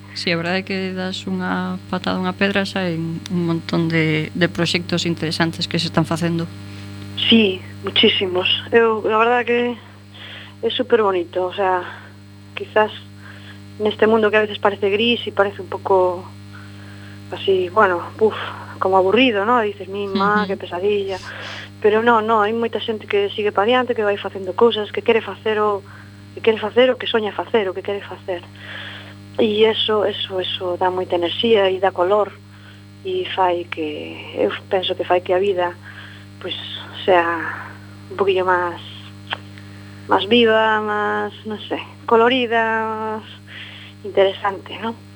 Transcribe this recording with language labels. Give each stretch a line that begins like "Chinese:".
Galician: Sí, a verdade é que das unha patada, unha pedra, xa hai un montón de proxectos interesantes que se están facendo.
Spanish: Sí, muchísimos.
Galician: Eu, a verdade é que é super bonito,
Spanish: o sea,
Galician: quizás... Neste mundo que a veces parece gris e parece un pouco así,
Spanish: bueno, uf, como aburrido, ¿no? Dices, mima, que pesadilla.
Galician: Pero no, hai moita xente que sigue pa diante, que vai facendo cousas, que quere facer o que soña facer, o que quere facer. E eso dá moita enerxía e dá color e fai que, eu penso que fai que a vida,
Spanish: pues, sea un poquillo
Galician: máis
Spanish: más viva, más, no sé, colorida, más interesante, ¿no?